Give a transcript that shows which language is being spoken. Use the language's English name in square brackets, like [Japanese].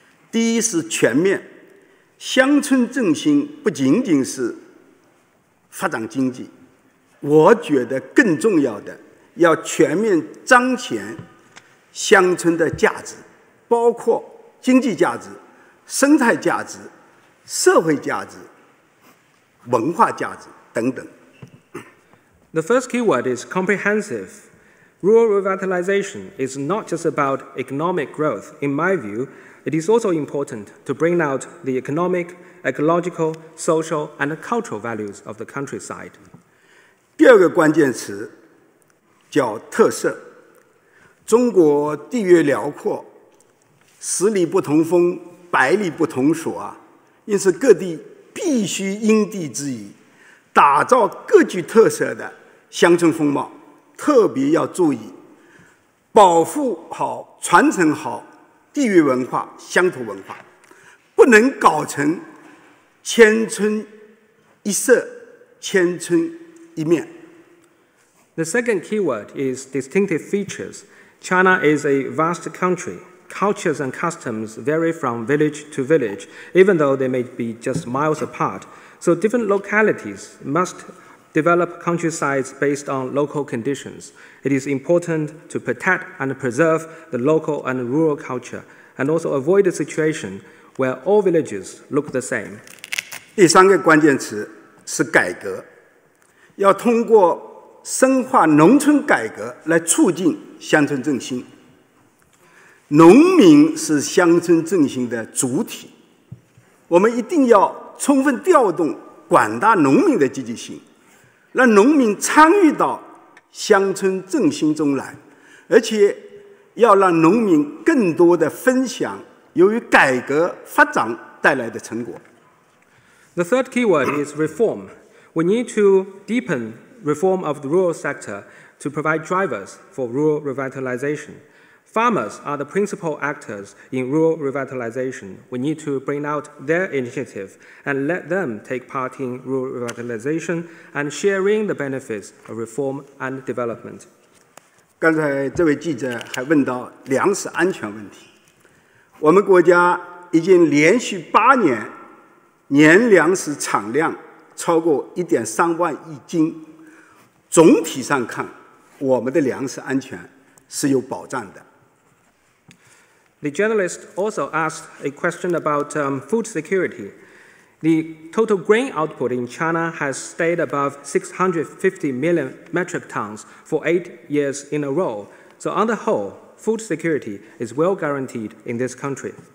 [Chinese] 第一是全面，乡村振兴不仅仅是发展经济，我觉得更重要的要全面彰显乡村的价值，包括经济价值、生态价值、社会价值、文化价值。等等。 [English] The first keyword is comprehensive. Rural revitalization is not just about economic growth. In my view, it is also important to bring out the economic, ecological, social, and cultural values of the countryside. [Chinese] 第二个关键词叫特色。中国地域辽阔，十里不同风，百里不同所啊，因此各地必须因地制宜，打造各具特色的乡村风貌，特别要注意保护好、传承好地域文化、乡土文化，不能搞成千村一色、千村一面。 [English] The second keyword is distinctive features. China is a vast country. Cultures and customs vary from village to village, even though they may be just miles apart. So different localities must develop countrysides based on local conditions. It is important to protect and preserve the local and rural culture, and also avoid a situation where all villages look the same. [Chinese] 第三个关键词是改革，要通过深化农村改革来促进乡村振兴。农民是乡村振兴的主体，我们一定要充分调动广大农民的积极性，让农民参与到乡村振兴中来，而且要让农民更多的分享由于改革发展带来的成果。 [English] The third keyword is reform. We need to deepen reform of the rural sector to provide drivers for rural revitalization. Farmers are the principal actors in rural revitalization. We need to bring out their initiative and let them take part in rural revitalization and sharing the benefits of reform and development. [Chinese] 刚才这位记者还问到粮食安全问题。我们国家已经连续八年年粮食产量超过 1.3 万亿斤，总体上看，我们的粮食安全是有保障的。 [English] The journalist also asked a question about food security. The total grain output in China has stayed above 650 million metric tons for 8 years in a row. So on the whole, food security is well guaranteed in this country.